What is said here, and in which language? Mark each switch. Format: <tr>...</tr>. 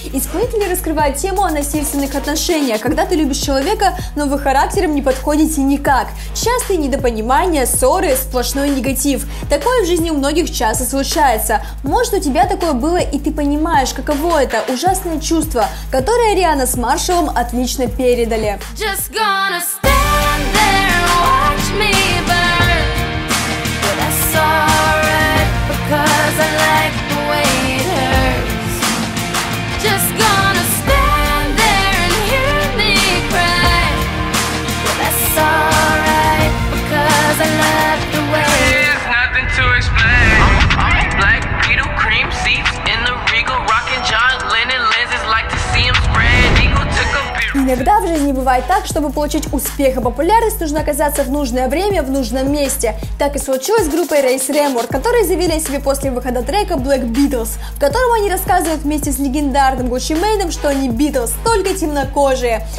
<ru>Исполнители раскрывают тему о насильственных отношениях, когда ты любишь человека, но вы характером не подходите никак. Частые недопонимания, ссоры, сплошной негатив. Такое в жизни у многих часто случается. Может, у тебя такое было, и ты понимаешь, каково это ужасное чувство, которое Риана с Маршалом отлично передали.</ru> <en>Just go. Gonna stand there and watch me burn. But that's alright, because I like the way it hurts. Just gonna stand there and hear me cry. But that's alright, because I love the way it hurts. There's nothing to explain. Black beetle cream seats in the Regal, rocking John Lennon lenses, like to see him spread.</en> <ru>Иногда в жизни бывает так, чтобы получить успех и популярность, нужно оказаться в нужное время в нужном месте. Так и случилось с группой Race Remor, которые заявили о себе после выхода трека Black Beatles, в котором они рассказывают вместе с легендарным Gucci Mane, что они Beatles, только темнокожие.</ru>